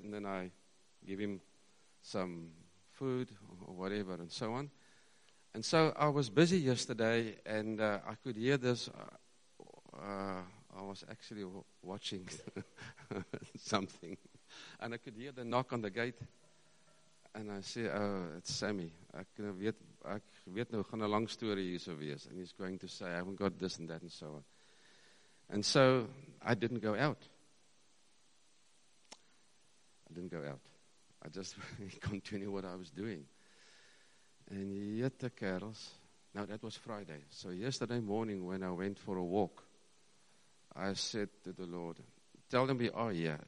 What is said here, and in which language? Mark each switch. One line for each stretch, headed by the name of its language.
English: And then I give him some food or whatever and so on. And so I was busy yesterday. And I could hear this. I was actually watching something. And I could hear the knock on the gate. And I say, oh, it's Sammy.
Afrikaans: Ek weet nou gaan 'n lang storie hierso wees.
English: And he's going to say, I haven't got this and that and so on. And so, I didn't go out. I just continued what I was doing. And yet the carols. Now, that was Friday. So, yesterday morning when I went for a walk, I said to the Lord, tell them we are here.